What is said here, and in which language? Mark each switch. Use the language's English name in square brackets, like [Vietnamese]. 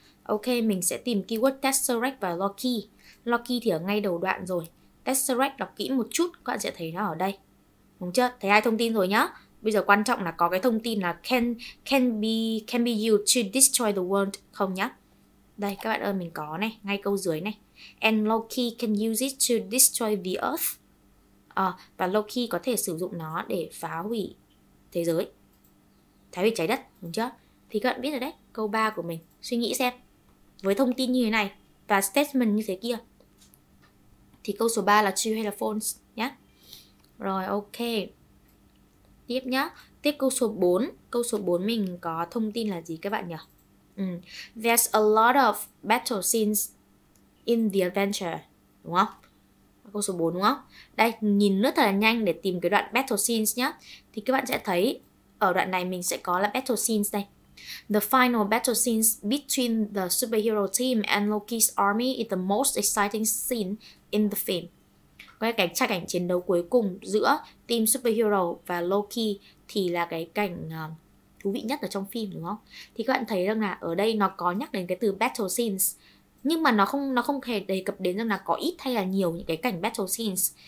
[Vietnamese] Ok, mình sẽ tìm keyword Tesseract và Loki. Loki thì ở ngay đầu đoạn rồi. Tesseract đọc kỹ một chút, các bạn sẽ thấy nó ở đây. Đúng chưa? Thấy hai thông tin rồi nhá. Bây giờ quan trọng là có cái thông tin là [English] can be used to destroy the world [Vietnamese] không nhá. Đây các bạn ơi, mình có này, ngay câu dưới này. [English] And Loki can use it to destroy the earth. [Vietnamese] Và Loki có thể sử dụng nó để phá hủy thế giới. Phá hủy trái đất, đúng chưa? Thì các bạn biết rồi đấy, câu 3 của mình. Suy nghĩ xem. Với thông tin như thế này và statement như thế kia. Thì câu số 3 là true hay là false nhá. Rồi ok. Tiếp nhá. Tiếp câu số 4. Câu số 4 mình có thông tin là gì các bạn nhỉ? [English] There's a lot of battle scenes in the adventure, [Vietnamese] đúng không? Câu số 4 đúng không? Đây, nhìn rất là nhanh để tìm cái đoạn battle scenes nhá. Thì các bạn sẽ thấy ở đoạn này mình sẽ có là battle scenes đây. [English] The final battle scenes between the superhero team and Loki's army is the most exciting scene in the film. [Vietnamese] Có cái cảnh chiến đấu cuối cùng giữa team superhero và Loki thì là cái cảnh thú vị nhất ở trong phim đúng không? Thì các bạn thấy rằng là ở đây nó có nhắc đến cái từ battle scenes. Nhưng mà nó không hề đề cập đến rằng là có ít hay là nhiều những cái cảnh battle scenes.